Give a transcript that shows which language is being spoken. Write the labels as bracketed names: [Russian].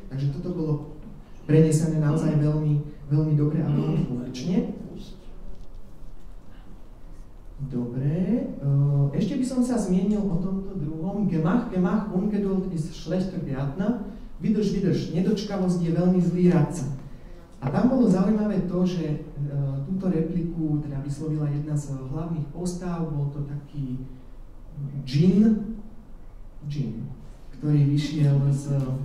[Slovak] Takže toto bolo prenesené naozaj veľmi, veľmi dobre a veľmi funkčne. Dobre, ešte by som sa zmienil o tomto druhom. [German] Gemach, gemach, ungeduld ist schlechter Gärtner. [Slovak] Vidíš, vidíš, nedočkavosť je veľmi zlý radca. A tam bolo zaujímavé to, že túto repliku teda vyslovila jedna z hlavných postáv, bol to taký džin, ktorý vyšiel z...